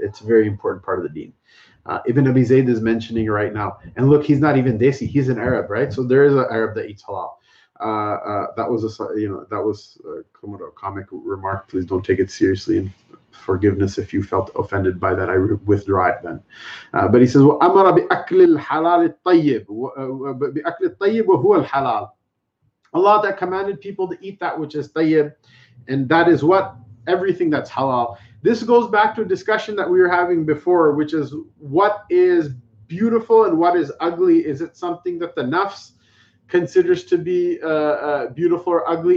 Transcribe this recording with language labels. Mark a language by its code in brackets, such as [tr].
[en] It's a very important part of the deen. Ibn Abi Zayd is mentioning it right now. And look, he's not even Desi. He's an Arab, right? So there is an Arab that eats halal. That was a comic remark. Please don't take it seriously. And forgiveness if you felt offended by that. I withdraw it then. But he says, [ar] وَأَمَرَ بِأَكْلِ الْحَلَالِ الطَّيِّبِ بِأَكْلِ الطَّيِّبِ وَهُوَ الْحَلَالِ. [en] Allah that commanded people to eat that which is tayyib, and that is what? Everything that's halal. This goes back to a discussion that we were having before, which is what is beautiful and what is ugly? Is it something that the nafs considers to be beautiful or ugly?